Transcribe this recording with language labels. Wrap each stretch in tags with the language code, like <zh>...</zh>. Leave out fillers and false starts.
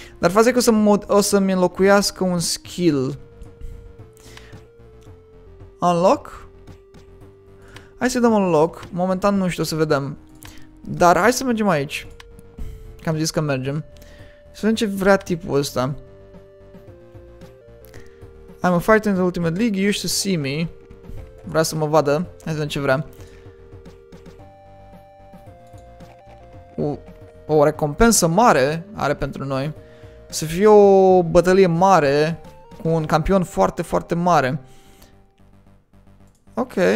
<ro>Dar faza e că o să-mi înlocuiască un skill. Unlock? Hai să dăm unlock. Momentan nu știu, să vedem. Dar hai să mergem aici. Că am zis că mergem. Să vedem ce vrea tipul ăsta.</ro> <en>I'm a fighter in the Ultimate League, you should see me.</en> <ro>Vrea să mă vadă, hai să vedem ce vrea. O recompensă mare are pentru noi. Să fie o bătălie mare cu un campion foarte, foarte mare. Ok.</ro>